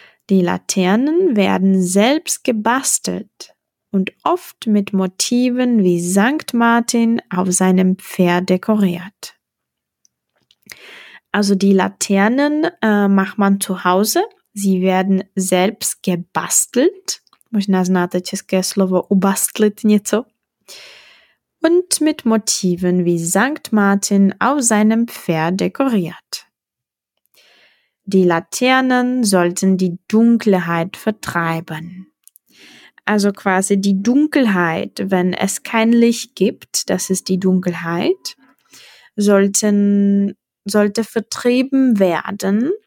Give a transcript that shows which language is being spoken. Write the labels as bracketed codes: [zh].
[de] Die Laternen werden selbst gebastelt und oft mit Motiven wie St. Martin auf seinem Pferd dekoriert. Also die Laternen macht man zu Hause. Sie werden selbst gebastelt. [cs] Možná znáte české slovo ubastlit něco. [de] Und mit Motiven wie St. Martin auf seinem Pferd dekoriert. Die Laternen sollten die Dunkelheit vertreiben. Also quasi die Dunkelheit, wenn es kein Licht gibt, das ist die Dunkelheit, sollte vertrieben werden.